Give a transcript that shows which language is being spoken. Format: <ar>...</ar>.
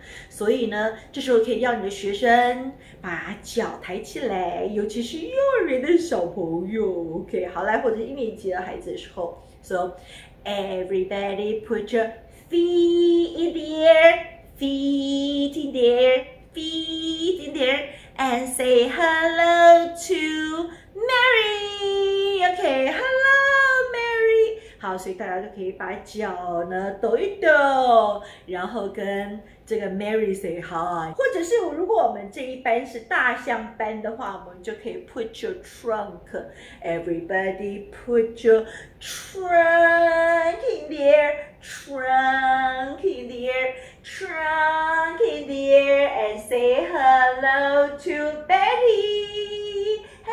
<zh>所以呢，这时候可以让你的学生把脚抬起来，尤其是幼儿园的小朋友。 OK, 好嘞，或者是一年级的孩子的时候。</zh> <en>So, everybody put your feet in the air, feet in the air, feet in the air, and say hello to. Mary, OK, hello, Mary.</en> <zh>好，所以大家就可以把脚呢抖一抖，然后跟这个 Mary</zh> <en>say hi.</en> <zh>或者是如果我们这一班是大象班的话，我们就可以</zh> <en>put your trunk. Everybody put your trunk in the air, trunk in the air, trunk in the air, and say hello to Betty.</en>